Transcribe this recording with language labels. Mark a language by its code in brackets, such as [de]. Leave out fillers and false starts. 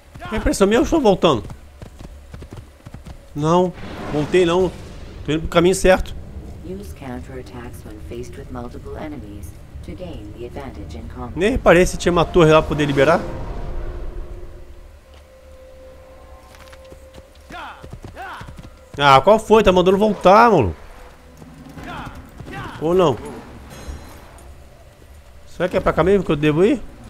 [pt] É impressão minha ou estou voltando? Não, voltei não. Estou indo para o caminho certo. [en] Use counter-attacks when faced with multiple enemies to gain the advantage in combat. [pt] Nem reparei se tinha uma torre lá para poder liberar. Ah, qual foi? Tá mandando voltar, mano. Ou não? Será que é pra cá mesmo que eu devo ir?